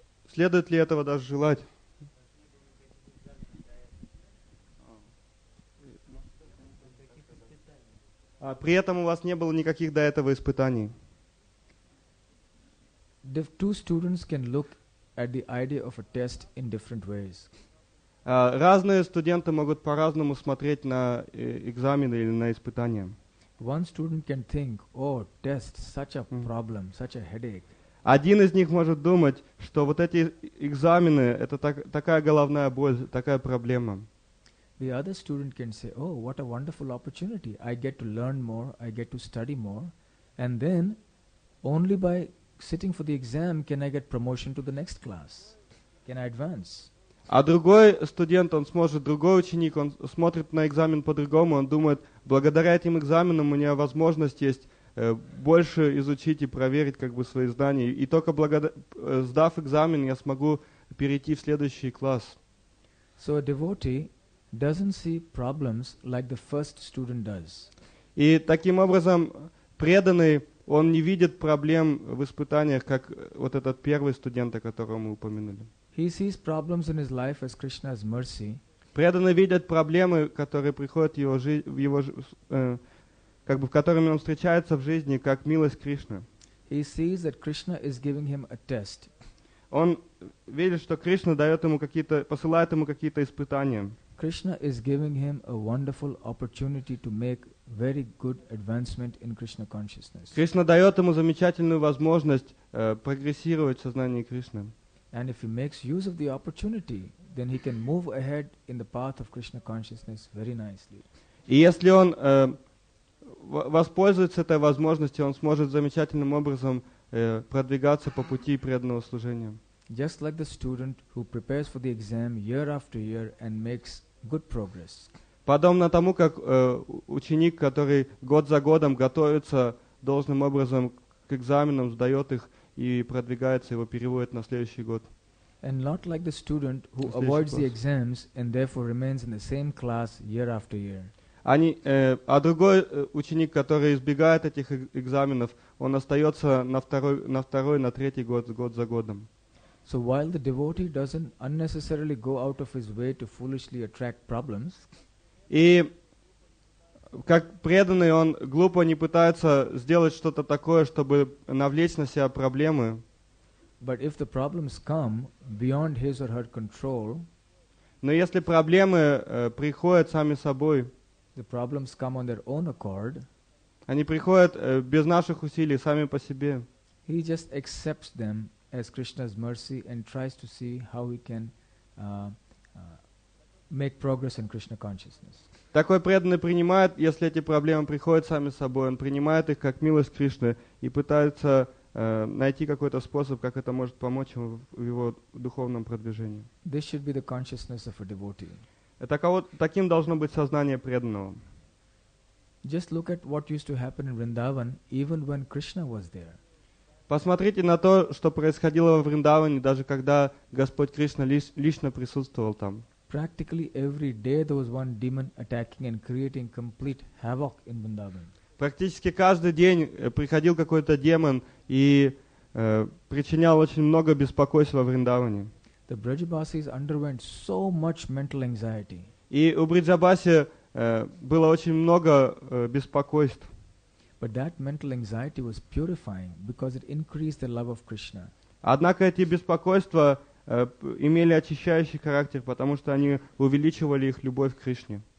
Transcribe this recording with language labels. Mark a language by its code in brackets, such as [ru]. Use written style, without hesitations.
[ru] Следует ли этого даже желать? А при этом у вас не было никаких до этого испытаний. [en] The two students can look at the idea of a test in different ways. [ru] Разные студенты могут по-разному смотреть на экзамены или на испытания. [en] One student can think, oh, test, such a problem, such a headache. [ru] Один из них может думать, что вот эти экзамены, это такая головная боль, такая проблема. [en] The other student can say, oh, what a wonderful opportunity. I get to learn more, I get to study more. And then, only by sitting for the exam, can I get promotion to the next class? Can I advance? [ru] А другой студент, он сможет, другой ученик, он смотрит на экзамен по-другому, он думает, благодаря этим экзаменам у меня возможность есть больше изучить и проверить как бы свои знания, и только сдав экзамен, я смогу перейти в следующий класс. [en] So a devotee doesn't see problems like the first student does. [ru] И таким образом преданный, он не видит проблем в испытаниях, как вот этот первый студент, о котором мы упомянули. [en] He sees problems in his life as Krishna's mercy. [ru] Преданный видит проблемы, которые приходят в его жизнь, как бы в которыми он встречается в жизни, как милость Кришны. [en] He sees that Krishna is giving him a test. [ru] Он видит, что Кришна дает ему какие-то, посылает ему какие-то испытания. [en] Krishna is giving him a wonderful opportunity to make very good advancement in Krishna consciousness. [ru] Кришна дает ему замечательную возможность прогрессировать в сознании Кришны. [en] And if he makes use of the opportunity, then he can move ahead in the path of Krishna consciousness very nicely. [ru] И если он воспользуется этой возможностью, он сможет замечательным образом продвигаться по пути преданного служения. [en] Just like the student who prepares for the exam year after year and makes good progress. [ru] Подобно тому, как ученик, который год за годом готовится должным образом к экзаменам, сдает их и продвигается, его переводят на следующий год. [en] And not like the student who avoids the exams and therefore remains in the same class year after year. [ru] А другой ученик, который избегает этих экзаменов, он остается на третий год за годом. [en] So while the devotee doesn't unnecessarily go out of his way to foolishly attract problems, [ru] и как преданный он глупо не пытается сделать что-то такое, чтобы навлечь на себя проблемы. [en] But if the problems come beyond his or her control, [ru] но если проблемы приходят сами собой, [en] the problems come on their own accord, [ru] они приходят без наших усилий сами по себе. [en] He just accepts them as Krishna's mercy and tries to see how he can make progress in Krishna consciousness. [ru] Такой преданный принимает, если эти проблемы приходят сами собой, он принимает их как милость Кришны и пытается найти какой-то способ, как это может помочь ему в его духовном продвижении. [en] This should be the consciousness of a devotee. [ru] Таким должно быть сознание преданного. [en] Just look at what used to happen in Vrindavan even when Krishna was there. [ru] Посмотрите на то, что происходило во Вриндаване, даже когда Господь Кришна лично присутствовал там. [en] Practically every day there was one demon attacking and creating complete havoc in Vrindavan. [ru] Практически каждый день приходил какой-то демон и причинял очень много беспокойства во Вриндаване. [en] The Brajabasis underwent so much mental anxiety. [ru] И у Бриджабаси было очень много беспокойств. [en] But that mental anxiety was purifying because it increased the love of Krishna. [ru] Однако эти беспокойства имели очищающий характер, потому что они увеличивали их любовь к Кришне.